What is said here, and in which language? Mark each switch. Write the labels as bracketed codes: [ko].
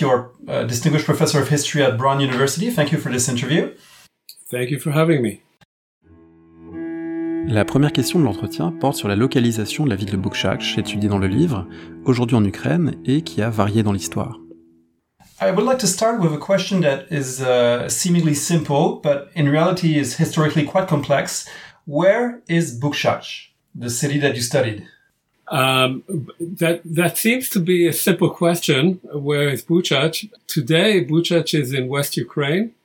[en] You are a distinguished professor of history at Brown University. Thank you for this interview. Thank you for having me. [fr] La première question de l'entretien porte sur la localisation de la ville de Boukchakch, étudiée dans le livre, aujourd'hui en Ukraine, et qui a varié dans l'histoire. [en] I would like to start with a question that is seemingly simple, but in reality is historically quite complex. Where is Boukchakch, the city that you studied? That seems to be a simple question. Where is Boukchakch? Today, Boukchakch is in West Ukraine.